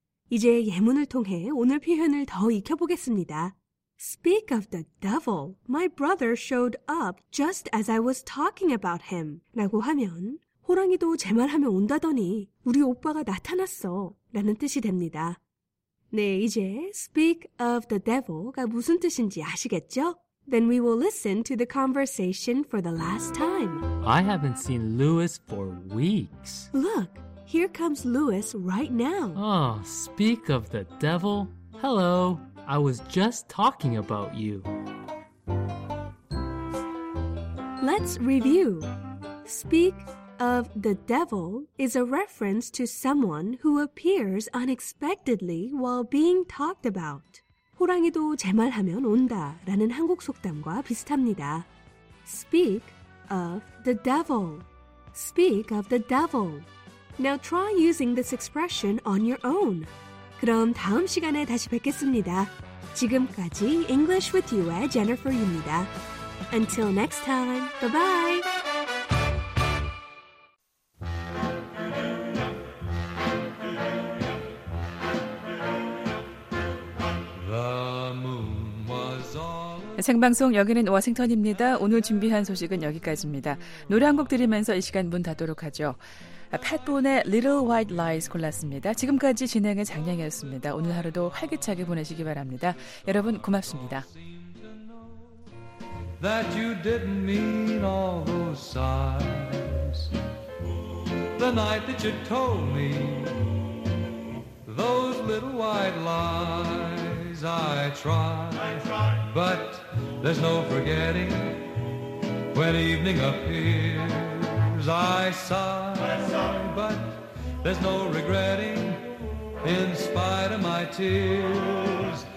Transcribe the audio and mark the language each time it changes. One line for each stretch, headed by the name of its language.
Korean: 이제 예문을 통해 오늘 표현을 더 익혀보겠습니다.
English: Speak of the devil. My brother showed up just as I was talking about him.
Korean: 라고 하면 호랑이도 제 말하면 온다더니 우리 오빠가 나타났어 라는 뜻이 됩니다. 네, 이제
English: speak of the devil
Korean: 가 무슨 뜻인지 아시겠죠?
English: Then we will listen to the conversation for the last time. I haven't seen Louis for weeks. Look, here comes Louis right now. Oh, speak of the devil. Hello, I was just talking about you. Let's review. Speak of the devil is a reference to someone who appears unexpectedly while being talked about.
Korean: 호랑이도 제 말하면 온다 라는 한국 속담과 비슷합니다.
English: Speak of the devil. Speak of the devil. Now try using this expression on your own.
Korean: 그럼 다음 시간에 다시 뵙겠습니다. 지금까지 English with You의 Jennifer입니다.
English: Until next time, bye-bye! The moon was all...
Korean: 생방송 여기는 워싱턴입니다. 오늘 준비한 소식은 여기까지입니다. 노래 한 곡 들으면서 이 시간 문 닫도록 하죠. 팻본의 Little White Lies 골랐습니다. 지금까지 진행의 장량이었습니다. 오늘 하루도 활기차게 보내시기 바랍니다. 여러분 고맙습니다.
English: That you didn't mean all those sighs The night that you told me Those little white lies I tried But there's no forgetting When evening appears I sigh, but there's no regretting in spite of my tears.